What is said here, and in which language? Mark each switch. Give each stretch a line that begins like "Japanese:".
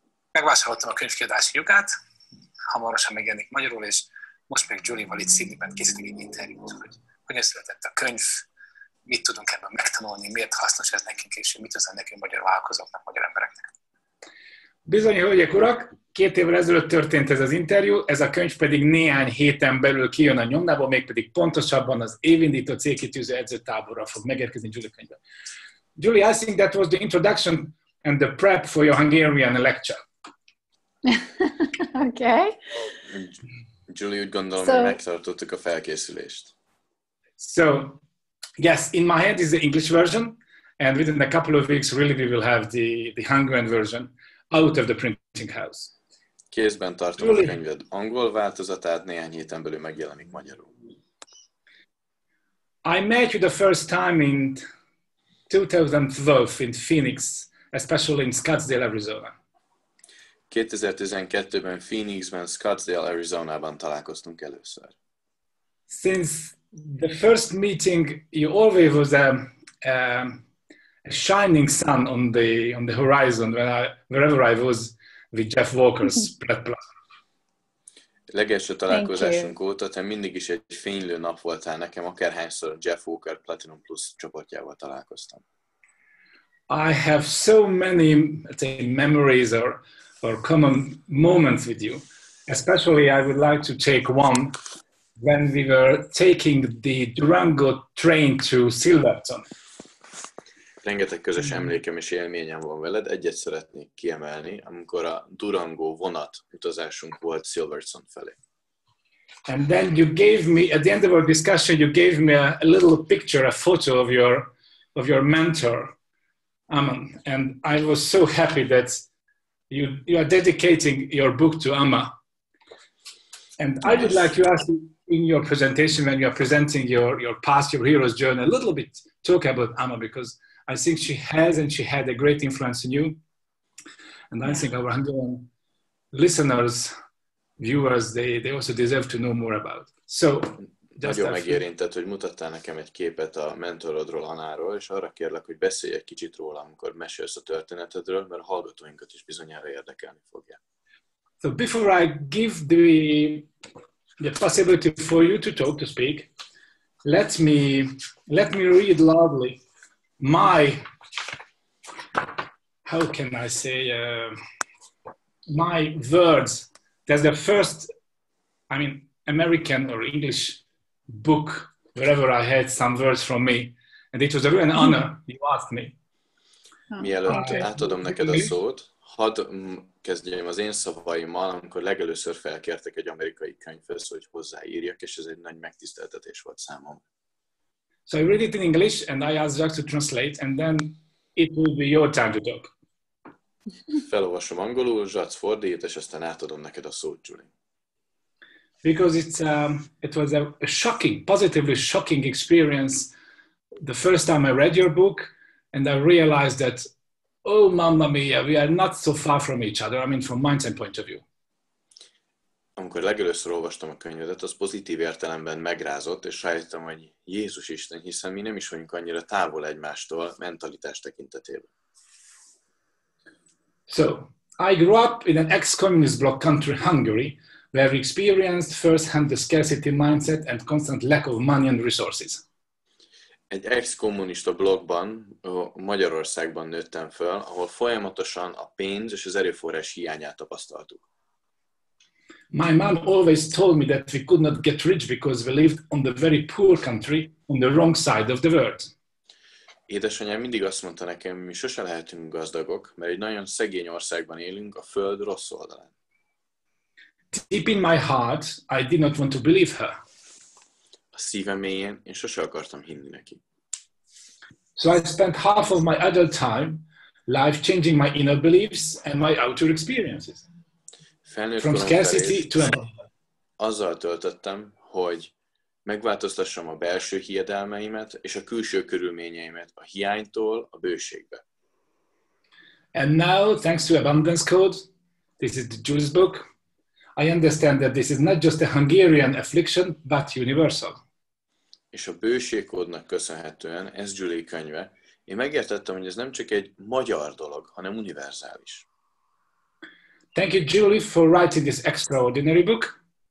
Hungarian: Megvásároltam a könyvkiadási jogát, hamarosan megjelenik magyarul, és most meg Julie-val itt Sydney-ben készítünk egy interjút, hogy hogyan született a könyv, mit tudunk ebben megtanulni, miért hasznos ez nekünk, és mit hozzá nekünk magyar vállalkozóknak, magyar embereknek. Bizony, hölgyek, urak, 2 évvel ezelőtt történt ez az interjú, ez a könyv pedig néhány héten belül kijön a nyomdába, mégpedig pontosabban az évindító célkitűző edzőtáborra fog megérkezni Julie könyvben.
English: Julie, I think that was the introduction and the prep for your Hungarian lecture. Okay.
Hungarian: Julie, úgy gondolom, hogy megtartottuk a felkészülést.
English: So, yes, in my head is the English version, and within a couple of weeks, really, we will have the Hungarian version out of the printing house.
Hungarian: Kézben tartom Julie, a könyved angol változatát, néhány héten belül megjelenik magyarul.
English: I met you the first time in 2012 in Phoenix, especially in Scottsdale, Arizona.
Hungarian: 2012-ben Phoenixben, Scottsdale, Arizonában találkoztunk először.
English: Since the first meeting, you always was a shining sun on the horizon wherever I was with Jeff Walker's platform.
Hungarian: Legelső találkozásunk óta te mindig is egy fénylő nap voltál nekem, akárhányszor Jeff Walker Platinum Plus csoportjával találkoztam.
English: I have so many, let's say, memories or common moments with you. Especially I would like to take one when we were taking the Durango train to Silverton.
Hungarian: Rengeteg közös emlékem és élményem van veled. Egyet szeretnék kiemelni, amikor a Durango vonat utazásunk volt Silverton felé.
English: And then you gave me, at the end of our discussion, you gave me a little picture, a photo of your mentor, Aman. And I was so happy that you are dedicating your book to Amma. And yes. I would like to ask you, in your presentation, when you are presenting your past, your hero's journey, a little bit talk about Amma, because I think she has and she had a great influence on you. And yeah. I think our Hungarian listeners, viewers, they also deserve to know more about. So,
Hungarian: nagyon megérintett, hogy mutattál nekem egy képet a mentorodról, Anáról, és arra kérlek, hogy beszélj egy kicsit róla, amikor mesélsz a történetedről, mert a hallgatóinkat is bizonyára érdekelni fogja.
English: So before I give the possibility for you to talk, to speak, let me read loudly my, how can I say, my words. That's the first, I mean, American or English book, wherever I had some words from me, and it was a real honor you asked me.
Hungarian: Mielőtt átadom neked a szót, hadd kezdjem az én szavaimmal, amikor legelőször felkértek egy amerikai könyvhöz, hogy hozzáírjak, és ez egy nagy megtiszteltetés volt számomra.
English: So I read it in English, and I asked Jack to translate, and then it will be your time to talk.
Hungarian: Felolvasom angolul, Jack fordít, és aztán átadom neked a szót, Julie.
English: Because it was a shocking, positively shocking experience the first time I read your book, and I realized that, oh, mamma mia, we are not so far from each other, I mean, from mindset point of view.
Hungarian: Amikor legelőször olvastam a könyvedet, az pozitív értelemben megrázott, és rájöttem, hogy Jézus Isten, hiszen mi nem is vagyunk annyira távol egymástól mentalitás tekintetében.
English: So, I grew up in an ex-communist bloc country, Hungary, where we experienced firsthand the scarcity mindset and constant lack of money and resources.
Hungarian: Egy ex-kommunista blokkban, Magyarországban nőttem föl, ahol folyamatosan a pénz és az erőforrás hiányát tapasztaltuk.
English: My mom always told me that we could not get rich because we lived on the very poor country on the wrong side of the world.
Hungarian: Édesanyám mindig azt mondta nekem, mi sose lehetünk gazdagok, mert egy nagyon szegény országban élünk, a föld rossz oldalán.
English: Deep in my heart, I did not want to believe her.
Hungarian: A szívem mélyén én sose akartam hinni neki.
English: So I spent half of my adult time life changing my inner beliefs and my outer experiences. From scarcity to an
Hungarian: azzal töltöttem, hogy megváltoztassam a belső hiedelmeimet és a külső körülményeimet a hiánytól a bőségbe.
English: And now, thanks to Abundance Code, this is the Jewish book, I understand that this is not just a Hungarian affliction, but universal.
Hungarian: És a bőségkódnak köszönhetően, ez Julie könyve, én megértettem, hogy ez nem csak egy magyar dolog, hanem univerzális.
English: Thank you, Julie, for writing this extraordinary book.